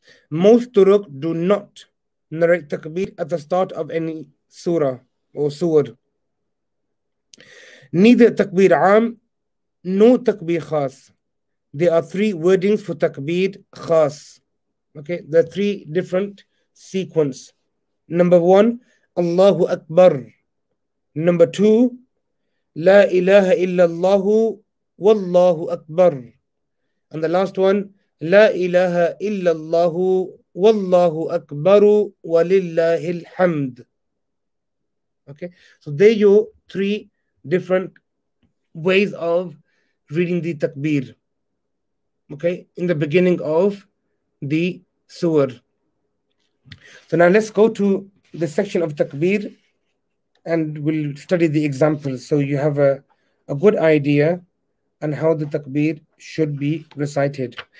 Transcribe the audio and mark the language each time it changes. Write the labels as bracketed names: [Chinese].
[English] Most turuq do not narrate takbir at the start of any surah or suwar. Neither takbir am nor takbir khas. There are three wordings for takbir khas. Okay, the three different sequence. Number one, Allahu Akbar. Number two, [Arabic] لا إله إلا الله والله أكبر. [English] And the last one, [Arabic] لا إله إلا الله والله أكبر ولله الحمد. [English] Okay, so there you three different ways of reading the takbir. Okay, in the beginning of the surah. So now let's go to the section of takbir and we'll study the examples so you have a good idea on how the takbir should be recited.